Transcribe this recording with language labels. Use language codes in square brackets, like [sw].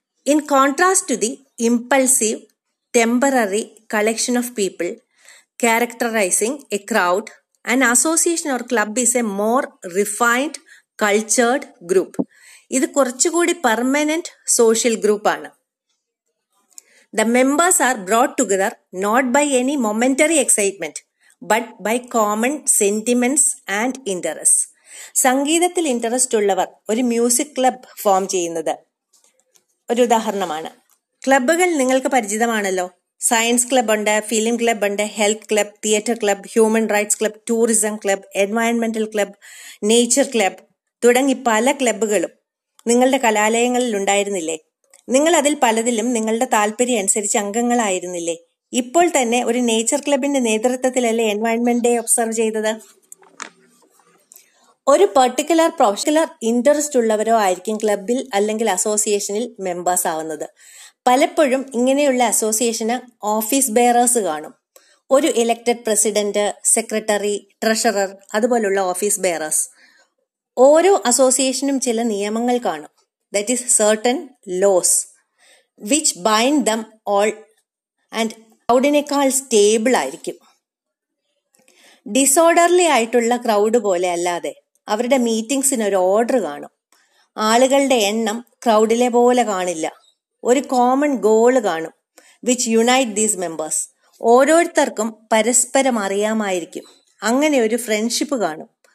[en] In contrast to the impulsive temporary collection of people characterizing a crowd, an association or club is a more refined cultured group. [ml] ഇത് കുറച്ചുകൂടി permanent social ഗ്രൂപ്പാണ്. [en] The members are brought together not by any momentary excitement, but by common sentiments and interests. [ml] സംഗീതത്തിൽ interest ഉള്ളവർ ഒരു music club form ചെയ്യുന്നത് ഒരു ഉദാഹരണമാണ്. ക്ലബ്ബുകൾ നിങ്ങൾക്ക് പരിചിതമാണല്ലോ. സയൻസ് ക്ലബ് ഉണ്ട്, ഫിലിം ക്ലബ് ഉണ്ട്, health club, theatre club, human rights club, tourism club, എൻവയൺമെന്റൽ club, nature club തുടങ്ങി പല ക്ലബ്ബുകളും നിങ്ങളുടെ കലാലയങ്ങളിൽ ഉണ്ടായിരുന്നില്ലേ. നിങ്ങൾ അതിൽ പലതിലും നിങ്ങളുടെ താല്പര്യം അനുസരിച്ച് അംഗങ്ങളായിരുന്നില്ലേ. ഇപ്പോൾ തന്നെ ഒരു നേച്ചർ ക്ലബിന്റെ നേതൃത്വത്തിലല്ലേ എൻവയൺമെന്റ് ഡേ ഒബ്സർവ് ചെയ്തത്. ഒരു പെർട്ടിക്കുലർ പ്രൊഫഷണൽ ഇൻട്രസ്റ്റ് ഉള്ളവരോ ആയിരിക്കും ക്ലബിൽ അല്ലെങ്കിൽ അസോസിയേഷനിൽ മെമ്പേഴ്സ് ആവുന്നത്. പലപ്പോഴും ഇങ്ങനെയുള്ള അസോസിയേഷന് ഓഫീസ് ബെയറേഴ്സ് കാണും. ഒരു ഇലക്റ്റഡ് പ്രസിഡന്റ്, സെക്രട്ടറി, ട്രഷറർ, അതുപോലുള്ള ഓഫീസ് ബെയറേഴ്സ്. ഓരോ അസോസിയേഷനും ചില നിയമങ്ങൾ കാണും. [en] That is certain laws which bind them all, and [ml] crowd-inekkal stable aayirikkum. Disorderly ആയിട്ടുള്ള ക്രൗഡ് പോലെ അല്ലാതെ അവരുടെ മീറ്റിംഗ്സിന് ഒരു ഓർഡർ കാണും. ആളുകളുടെ എണ്ണം ക്രൗഡിലെ പോലെ കാണില്ല. ഒരു കോമൺ ഗോള് കാണും, [en] Which unite these members. [ml] ഓരോരുത്തർക്കും പരസ്പരം അറിയാമായിരിക്കും. അങ്ങനെ ഒരു ഫ്രണ്ട്ഷിപ്പ് കാണും.